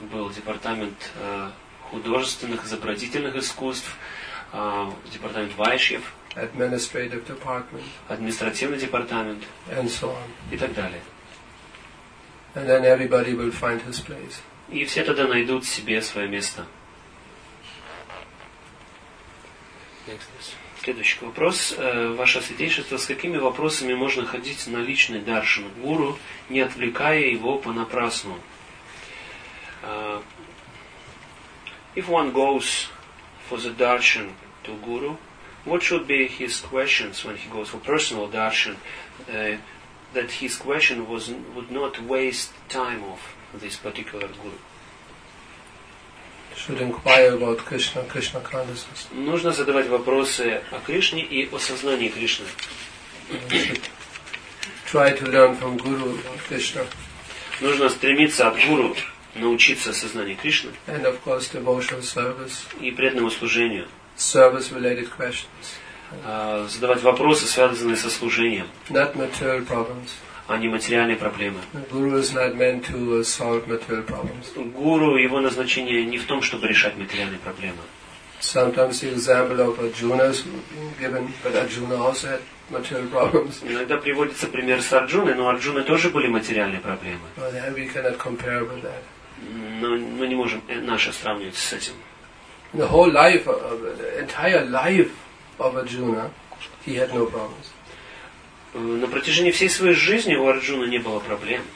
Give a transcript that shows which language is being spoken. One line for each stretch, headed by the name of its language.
Russian: Был департамент художественных изобразительных искусств, департамент Vaishyev.
English: Administrative department.
Russian: Административный департамент.
English: And so on.
Russian: И так далее.
English: And then everybody will find his place.
Russian: И все тогда найдут себе свое место. Следующий вопрос. Ваше святейшество, с какими вопросами можно ходить на личный даршан гуру, не отвлекая его понапрасну?
English: If one goes for the darshan to guru, what should be his questions when he goes for personal darshan? That his question was would not waste time of this particular guru. Should inquire about Krishna, Krishna consciousness.
Russian: Нужно задавать вопросы о Кришне и о сознании Кришны.
English: Try to learn from guru about Krishna.
Russian: Нужно стремиться от гуру научиться сознанию Кришны.
English: And of course, devotional service.
Russian: И преданному служению.
English: Service related questions.
Russian: Задавать вопросы, связанные со служением.
English: Not material problems.
Russian: А не материальные проблемы.
English: Guru is not meant to solve material problems.
Russian: Гуру, его назначение не в том, чтобы решать материальные проблемы.
English: Sometimes the example of Arjuna is given, but Arjuna also had material problems.
Russian: Иногда приводится пример с Арджуной, но Арджуны тоже были материальные проблемы.
English: But then we cannot compare with that.
Russian: Но мы не можем наше сравнивать с этим.
English: The whole life, entire life of Arjuna, he had no problems.
Russian: На протяжении всей своей жизни у Арджуны не было проблем.